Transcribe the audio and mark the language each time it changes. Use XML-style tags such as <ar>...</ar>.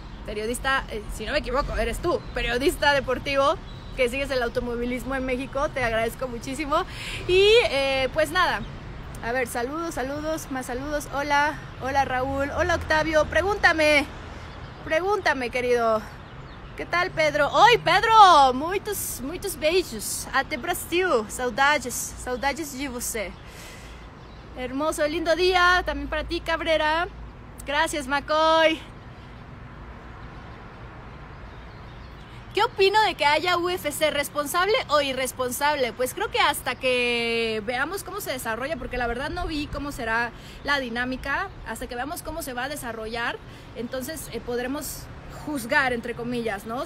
<es>Periodista, si no me equivoco, eres tú, periodista deportivo que sigues el automovilismo en México, te agradezco muchísimo. Y pues nada, a ver, saludos, más saludos. Hola Raúl, hola Octavio, pregúntame querido. ¿Qué tal Pedro? ¡Hoy Pedro!</es> <pt>Muchos beijos, até Brasil, saudades de você.</pt> <es>Hermoso, lindo día también para ti Cabrera, gracias McCoy. ¿Qué opino de que haya UFC, responsable o irresponsable? Pues creo que hasta que veamos cómo se desarrolla, porque la verdad no vi cómo será la dinámica, hasta que veamos cómo se va a desarrollar, entonces podremos juzgar, entre comillas, ¿no?</es>